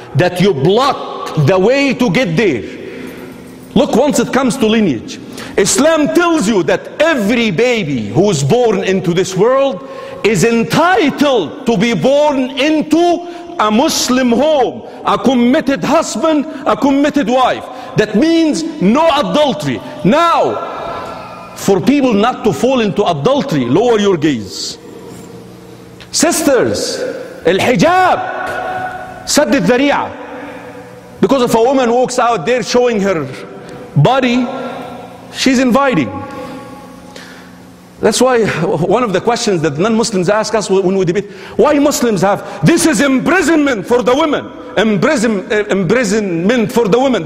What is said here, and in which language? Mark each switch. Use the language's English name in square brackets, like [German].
[English] That you block the way to get there. Look, once it comes to lineage, Islam tells you that every baby who is born into this world is entitled to be born into a Muslim home, a committed husband, a committed wife. That means no adultery. Now, for people not to fall into adultery, lower your gaze. [Arabic] Sisters, الحجاب سد الذريعة. [English] Because if a woman walks out there showing her body, she's inviting. That's why one of the questions that non-Muslims ask us when we debate, why Muslims have, this is imprisonment for the women. Imprisonment for the women.